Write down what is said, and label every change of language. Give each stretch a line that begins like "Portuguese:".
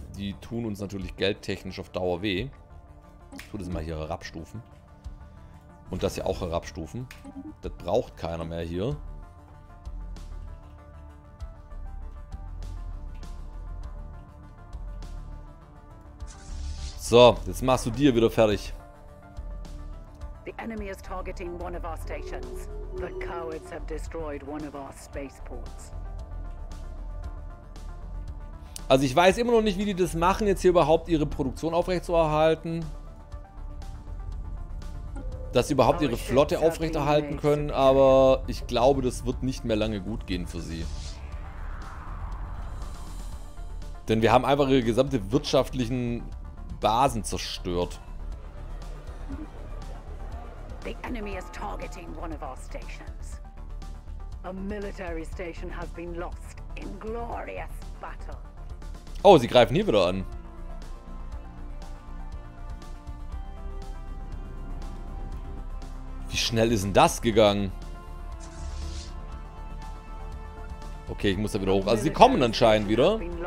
German: Die tun uns natürlich geldtechnisch auf Dauer weh. Ich tue das mal hier herabstufen. Und das hier auch herabstufen. Das braucht keiner mehr hier. So, jetzt machst du dir wieder fertig.
English: The enemy is targeting one of our stations. The cowards have destroyed one of our spaceports.
German: Also ich weiß immer noch nicht, wie die das machen, jetzt hier überhaupt ihre Produktion aufrechtzuerhalten. Dass sie überhaupt ihre Flotte aufrechterhalten können, aber ich glaube, das wird nicht mehr lange gut gehen für sie. Denn wir haben einfach ihre gesamte wirtschaftlichen Basen zerstört.
English: The enemy is targeting one of our stations. A military station has been lost in glorious battle.
German: Oh, sie greifen hier wieder an. Wie schnell ist denn das gegangen? Okay, ich muss da wieder hoch. Also sie kommen anscheinend wieder.